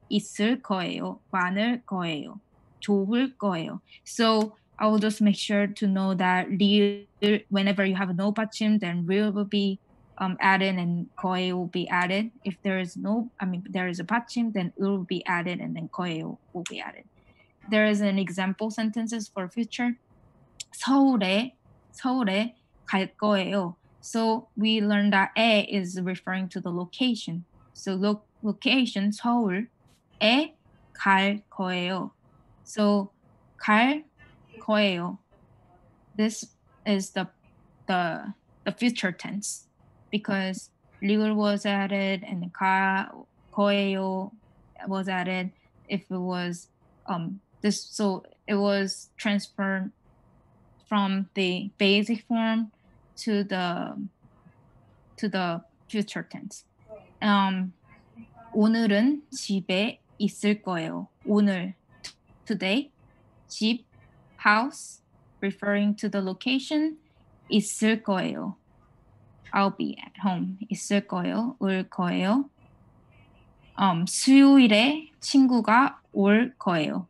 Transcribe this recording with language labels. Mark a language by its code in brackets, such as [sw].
[ko] 있을 거예요, 많을 거예요, 좋을 거예요. [en] So I will just make sure to know that 리을, whenever you have no 받침, then 리을 will be added and 거예요 will be added. If there is no, I mean, there is a 받침, then it will be added and then 거예요 will be added. There is an example sentences for future. [ko] 서울에 갈 거예요. [en] So we learned that 에 is referring to the location. So location [ko] 서울에 갈 거예요. [en] So [ko] 갈 거예요. [en] This is the future tense. Because 리을 was added and 가 거예요 was added, if it was this, so it was transferred from the basic form to the future tense. [ko] 오늘은 집에 있을 거예요. [en] 오늘, today, 집, house, referring to the location, [ko] 있을 거예요. [en] I'll be at home. [ko] 있을 거예요, 올 거예요. 수요일에 친구가 올 거예요.